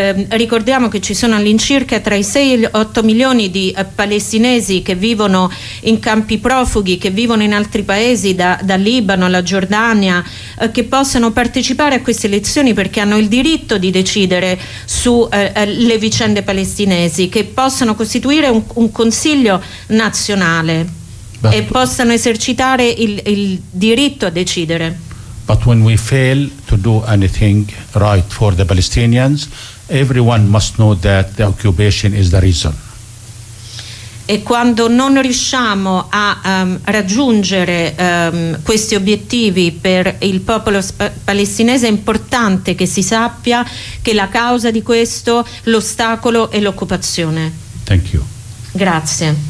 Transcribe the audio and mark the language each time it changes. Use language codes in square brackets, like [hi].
[it] ricordiamo che ci sono all'incirca tra i 6 e gli 8 milioni di palestinesi che vivono in campi profughi, che vivono in altri paesi, da Libano alla Giordania, che possano partecipare a queste elezioni perché hanno il diritto di decidere su le vicende palestinesi, che possano costituire un consiglio nazionale e possano esercitare il diritto a decidere. [en] But when we fail to do anything right for the Palestinians, everyone must know that the occupation is the reason. [it] E quando non riusciamo a raggiungere questi obiettivi per il popolo palestinese, è importante che si sappia che la causa di questo, l'ostacolo, è l'occupazione. [en] Thank you. [it] Grazie.